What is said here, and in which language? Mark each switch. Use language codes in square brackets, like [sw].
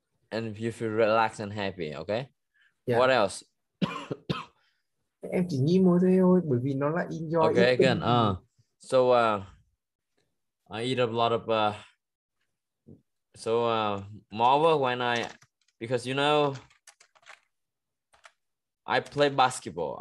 [en] And if you feel relaxed and happy, okay, yeah. What else? [vi] Em chỉ nghĩ mỗi thế thôi, bởi vì nó là enjoy. [en] Okay, again, I eat a lot of moreover when I, because you know, I play basketball.